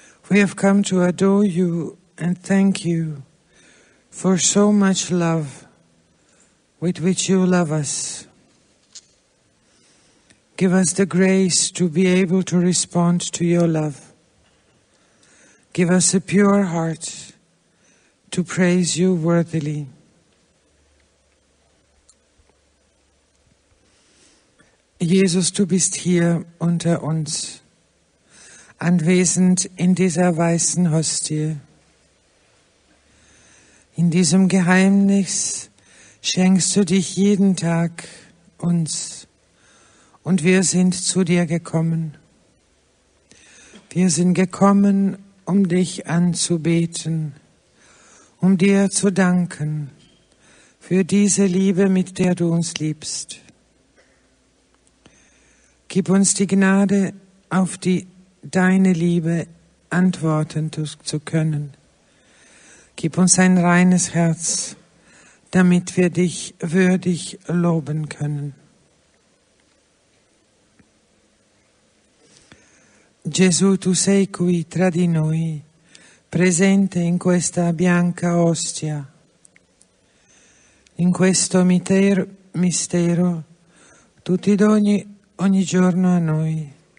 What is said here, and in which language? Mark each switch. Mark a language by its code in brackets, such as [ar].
[en] We have come to adore you and thank you for so much love with which you love us. Give us the grace to be able to respond to your love. Give us a pure heart to praise you worthily. [de] Jesus, du bist hier unter uns, anwesend in dieser weißen Hostie. In diesem Geheimnis schenkst du dich jeden Tag uns, und wir sind zu dir gekommen. Wir sind gekommen, um dich anzubeten, um dir zu danken für diese Liebe, mit der du uns liebst. Gib uns die Gnade, auf die deine Liebe antworten zu können. Gib uns ein reines Herz, damit wir dich würdig loben können. [it] Gesù, tu sei qui tra di noi, presente in questa bianca ostia. In questo mistero, tu ti doni ogni giorno a noi.